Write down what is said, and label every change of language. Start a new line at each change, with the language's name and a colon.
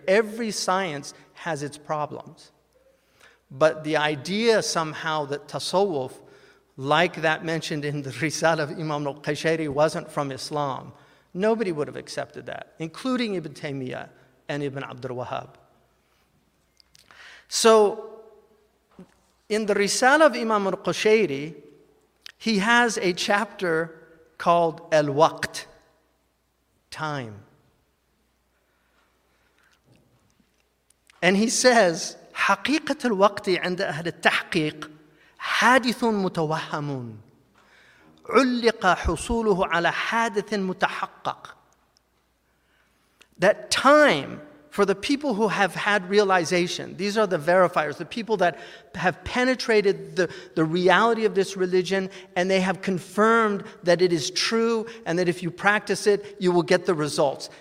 English: Every science has its problems. But the idea somehow that tasawwuf, like that mentioned in the Risala of Imam al-Qushayri, wasn't from Islam, nobody would have accepted that, including Ibn Taymiyyah and Ibn Abd al-Wahhab. So, in the Risala of Imam al-Qushayri, he has a chapter called Al-Waqt, time. And he says,
Arabic: حَقِيقَةُ الْوَقْتِ عَنْدَ أَهْلِ التَّحْقِيقِ حَادِثٌ مُتَوَهَّمٌ عُلِّقَ حُصُولُهُ عَلَى حَادِثٍ مُتَحَقَّقٍ.
English: That time, for the people who have had realization, these are the verifiers, the people that have penetrated the reality of this religion, and they have confirmed that it is true, and that if you practice it, you will get the results.